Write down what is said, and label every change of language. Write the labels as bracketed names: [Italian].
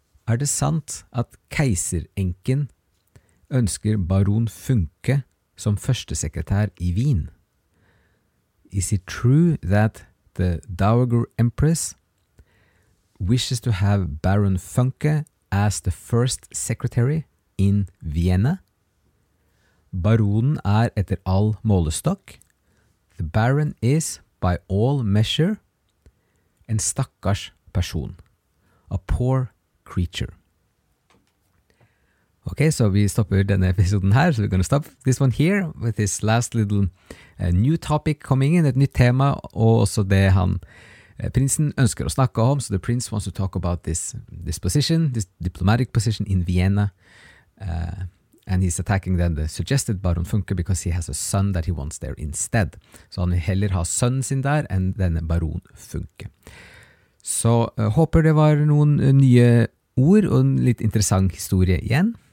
[Norwegian] Det sant at keiserenken ønsker baron Funke som førstesekretær I Wien? [English] Is it true that the Dowager Empress wishes to have Baron Funke as the first secretary? In Vienna. [Norwegian] Baronen etter all målestokk. [English] The baron is, by all measure, [Norwegian] en stakkars person. [English] A poor creature. Okay, so we stop [Norwegian] denne episoden her. [English] So we're going to stop this one here with this last little new topic coming in, [Norwegian] et nytt tema, og også det han, prinsen, ønsker å snakke om. [English] So the prince wants to talk about this position, this diplomatic position in Vienna. And he's attacking then the suggested Baron Funke because he has a son that he wants there instead. [Norwegian] Så han vil heller ha sønnen sin der enn denne Baron Funke. Så håper det var noen nye ord og en litt interessant historie igjen.